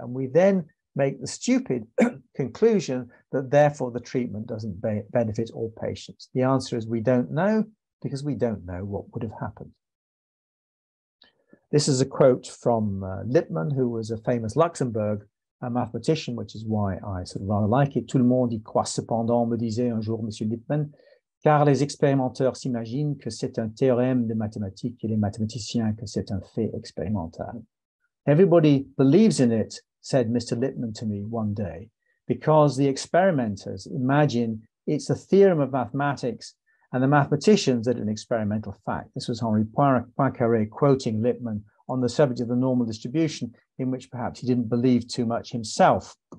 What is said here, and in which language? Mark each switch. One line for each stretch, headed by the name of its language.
English: And we then make the stupid conclusion that therefore the treatment doesn't benefit all patients. The answer is we don't know, because we don't know what would have happened. This is a quote from Lippmann, who was a famous Luxembourg mathematician, which is why I sort of rather like it.
French: Tout le monde y croit cependant, me disait un jour Monsieur Lippmann, car les expérimenteurs s'imaginent que c'est un théorème de mathématiques et les mathématiciens que c'est un fait expérimental.
English: Everybody believes in it, said Mr. Lippmann to me one day, because the experimenters imagine it's a theorem of mathematics and the mathematicians that an experimental fact. This was Henri Poincaré quoting Lippmann on the subject of the normal distribution, in which perhaps he didn't believe too much himself.